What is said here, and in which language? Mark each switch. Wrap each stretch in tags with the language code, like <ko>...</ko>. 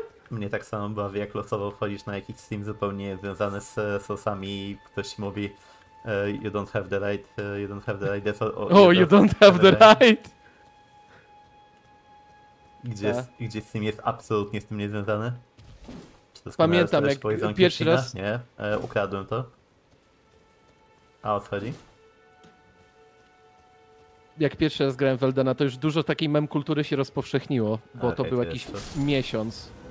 <pl>Mnie tak samo bawi, jak losowo wchodzisz na jakiś Steam zupełnie związany z sosami i ktoś mówi</pl> <en>you don't have the right,</en> <pl>you don't have the right.</pl> <en>Oh, you don't have the right.</en> <pl>Gdzie Steam jest absolutnie z tym niezwiązany? Pamiętam, jak pierwszy raz... Nie, ukradłem to. A o co chodzi? Jak pierwszy raz grałem w Eldena, to już dużo takiej mem kultury się rozpowszechniło, bo okay, to był jakiś miesiąc.</pl>